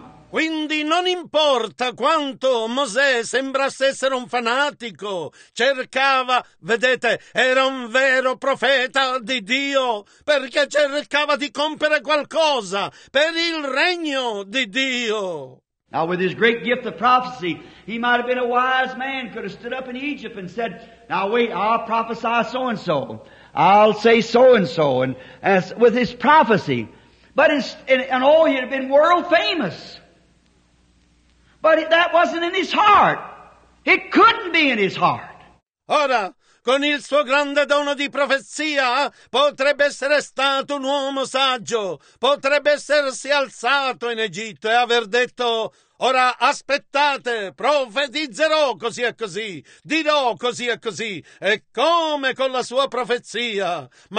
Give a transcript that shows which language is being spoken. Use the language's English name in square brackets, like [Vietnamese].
[Italian] Quindi non importa quanto Mosè sembrasse essere un fanatico, cercava, vedete, era un vero profeta di Dio, perché cercava di compiere qualcosa per il regno di Dio. [English] Now with his great gift of prophecy, he might have been a wise man, could have stood up in Egypt and said, now wait, I'll prophesy so-and-so, I'll say so-and-so, and as with his prophecy. But in all, he'd have been world famous. But that wasn't in his heart. It couldn't be in his heart. [Italian] Ora, con il suo grande dono di profezia, potrebbe essere stato un uomo saggio. Potrebbe essersi alzato in Egitto e aver detto, ora aspettate, profetizzerò così e così, dirò così e così, e come con la sua profezia.